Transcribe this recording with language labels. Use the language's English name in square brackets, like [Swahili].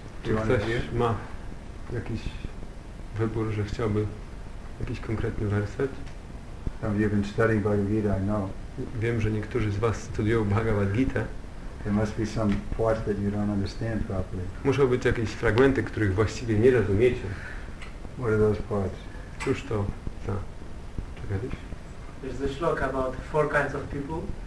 [Polish] Czy ktoś ma jakiś wybór, że chciałby jakiś konkretny werset? [English] Some of you have been studying Bhagavad Gita, I know. [Polish] Wiem, że niektórzy z was studiują Bhagavad Gita. [English] There must be some parts that you don't understand properly. [Polish] Muszą być jakieś fragmenty, których właściwie nie rozumiecie. [English] What are those parts? [Polish] Cóż to za... Czekaliś? [English] There's a shloka about four kinds of people.